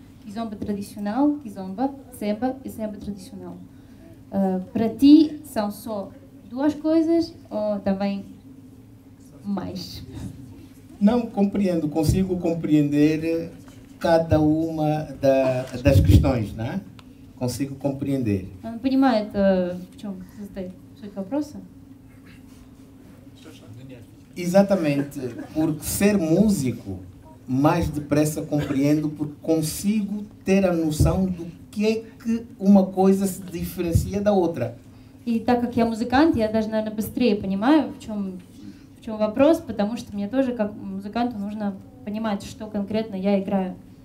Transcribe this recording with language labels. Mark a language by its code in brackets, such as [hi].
[pt] Kizomba tradicional, kizomba, semba e semba tradicional. Para ti, são só duas coisas ou também mais? Não compreendo, consigo compreender cada uma das questões, né? Consigo compreender. [ru] Não понимаю, это в чем суть вопроса? [pt] Exatamente, porque ser músico, mais depressa compreendo, porque consigo ter a noção do que é que uma coisa se diferencia da outra. [ru] E, так как я музыкант, я даже, наверное, быстрее понимаю, в чем вопрос, потому что мне тоже, как музыканту, нужно понимать, что конкретно я играю.